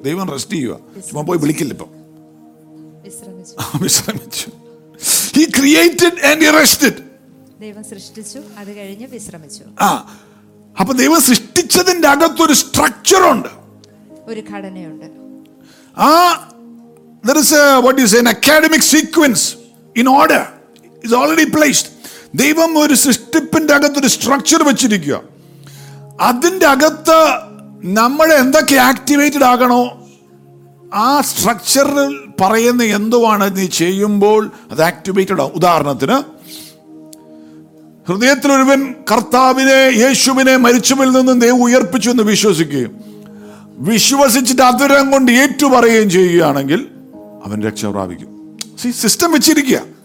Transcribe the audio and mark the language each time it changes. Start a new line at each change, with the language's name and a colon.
Malayalam: ദൈവം റെസ്റ്റ് ചെയ്യുക, ചുമ പോയി വിളിക്കില്ല. ഇപ്പം വിശ്രമിച്ചു.
English: He created and he rested.
Malayalam: ദൈവം സൃഷ്ടിച്ചു, അത് കഴിഞ്ഞ് വിശ്രമിച്ചു. അപ്പൊ ദൈവം സൃഷ്ടിച്ചതിന്റെ അകത്ത് ഒരു സ്ട്രക്ചർ ഉണ്ട്, ഒരു ഘടനയുണ്ട്.
English: There is a, what you say, an academic sequence in order is already placed.
Malayalam: ദൈവം ഒരു സൃഷ്ടിപ്പിന്റെ അകത്ത് ഒരു സ്ട്രക്ചർ വെച്ചിരിക്കുക. അതിന്റെ അകത്ത് നമ്മൾ എന്തൊക്കെ ആക്ടിവേറ്റഡ് ആകണോ ആ സ്ട്രക്ചറിൽ പറയുന്ന എന്തുവാണ് നീ ചെയ്യുമ്പോൾ അത് ആക്ടിവേറ്റഡ് ആവും. ഉദാഹരണത്തിന് ഹൃദയത്തിലൊരുവൻ കർത്താവിനെ യേശുവിനെ മരിച്ചവരിൽ നിന്നും ദൈവം ഉയർപ്പിച്ചു എന്ന് വിശ്വസിക്കുകയും വിശ്വസിച്ചിട്ട് അതുരം കൊണ്ട് ഏറ്റുപറയുകയും ചെയ്യുകയാണെങ്കിൽ അവൻ രക്ഷ പ്രാപിക്കും. സിസ്റ്റം വെച്ചിരിക്കുക.